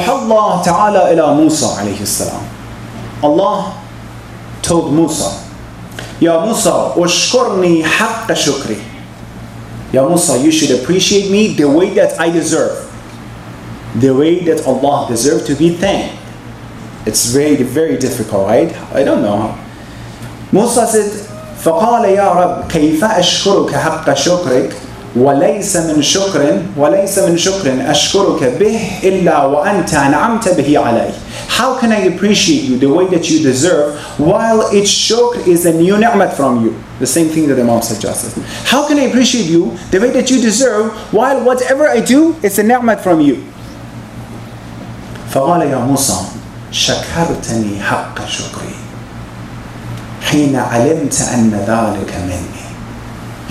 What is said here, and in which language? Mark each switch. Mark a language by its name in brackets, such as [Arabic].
[English] Allah ta'ala ila Musa alayhi salam. Allah told Musa, Ya Musa, ushkurni haqqa shukri. Ya Musa, you should appreciate me the way that I deserve. The way that Allah deserves to be thanked. It's very, very difficult, right? I don't know. Musa said, [Arabic] فَقَالَ يَا رَبْ كَيْفَ أَشْكُرُكَ حَقَّ شُكْرِكَ وَلَيْسَ مِنْ شُكْرٍ أَشْكُرُكَ بِهِ إِلَّا وَأَنْتَ أَنْعَمْتَ بِهِ عَلَيْهِ. [English] How can I appreciate you the way that you deserve while its shukr is a new ni'mat from you? The same thing that the Imam suggested. How can I appreciate you the way that you deserve while whatever I do is a ni'mat from you? [Arabic] فَقَالَ يَا مُوسَىٰ شَكَرْتَنِي حَقَّ شُكْرِي حِينَ عَلِمْتَ أَنَّ ذَلِكَ مِنِّي.